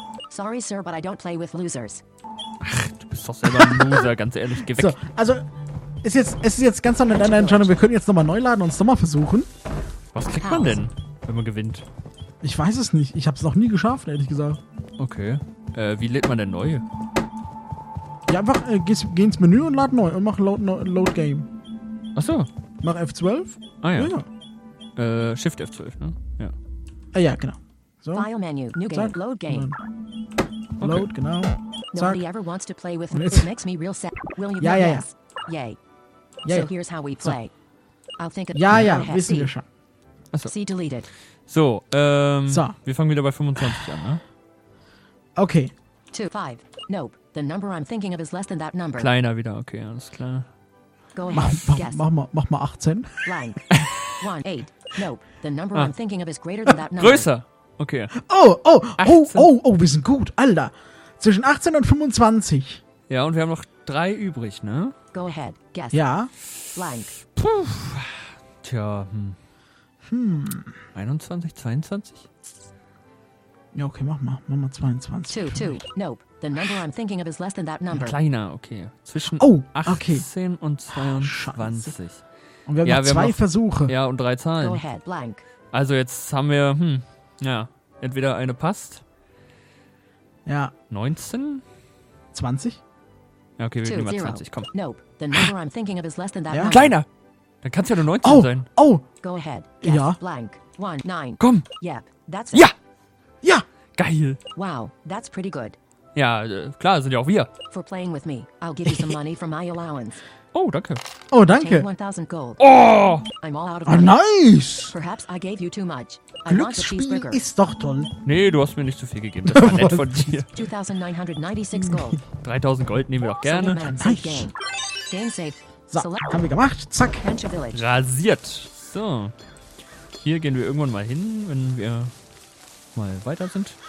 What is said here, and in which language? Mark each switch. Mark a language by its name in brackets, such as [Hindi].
[English] Sorry, sir, but I don't play with losers. [German] Ach, du bist doch selber ein Loser, ganz ehrlich. Geh weg. So, also, Es ist jetzt ganz an der Entscheidung. Wir können jetzt nochmal neu laden und es nochmal versuchen. Was kriegt man denn, wenn man gewinnt? Ich weiß es nicht. Ich habe es noch nie geschafft, ehrlich gesagt. Okay. Wie lädt man denn neu? Ja, einfach geh ins Menü und lad neu und mach Load Game. Ach so. Mach F12. Ah ja. Ja. Shift F12, ne? Ja. Ja, genau. So. File Menu, New Game, Zack. Load Game. Okay. Load, genau. Zack. [English] Nobody ever wants to play with me. It makes me real sad. Will you play? Ja. Yay. Yeah. So here's how we play. [German] So. [English] I'll think of [German] ja, wissen wir schon. Achso. C deleted. So, wir fangen wieder bei 25 an, ne? Okay. [English] 2, 5. Nope. The number I'm thinking of is less than that number. [German] Kleiner wieder, okay, alles klar. [English] Go ahead. [German] Mach mal 18. [English] Blank. 1, 8. Nope. The number I'm thinking of is greater than that number. [German] Größer. Okay. Oh, wir sind gut, Alter. Zwischen 18 und 25. Ja, und wir haben noch 3 übrig, ne? [English] Go ahead. Guess. [German] Ja. [English] Blank. [German] Puh. Tja, 21, 22? Ja, okay, mach mal 22. [English] 2, 2, nope. The number I'm thinking of is less than that number. [German] Kleiner, okay. Zwischen 18 und 22. Und wir haben noch 2 Versuche. Ja, und 3 Zahlen. [English] Go ahead, blank. [German] Also jetzt haben wir, entweder eine passt. Ja. 19? 20? Ja, okay, wir nehmen mal 20, komm. [English] Nope, the number I'm thinking of is less than that number. [German] Kleiner! Dann kannst du ja nur 19 sein. Oh! [English] Go ahead. Yes, ja. Blank. 1, 9. [German] Komm! [English] Yep, that's [German] it. Ja! Ja! Geil! [English] Wow, that's pretty good. [German] Ja, klar, sind ja auch wir. [English] For playing with me, I'll give you some money from my allowance. [German] Oh, danke. Oh, danke. [English] 1000 gold. [German] Oh! [English] I'm all out of money. Nice! Perhaps I gave you too much. [German] Glücksspiel ist doch toll. Nee, du hast mir nicht zu viel gegeben. Das war nett von dir. [English] 2996 gold. [German] 3000 gold nehmen wir auch gerne. Nice. [English] Game safe. [German] So, haben wir gemacht. Zack. Rasiert. So. Hier gehen wir irgendwann mal hin, wenn wir mal weiter sind.